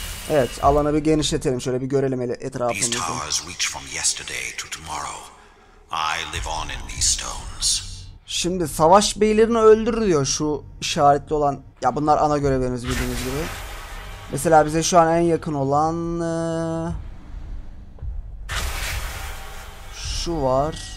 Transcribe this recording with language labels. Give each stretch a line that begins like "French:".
Turkish: Evet, alanı bir genişletelim, şöyle bir görelim
English: These towers reach from yesterday to tomorrow. I live on in these stones.
Turkish: Şimdi savaş beylerini öldür diyor şu işaretli olan. Ya bunlar ana görevlerimiz bildiğiniz gibi. Mesela bize şu an en yakın olan şu var.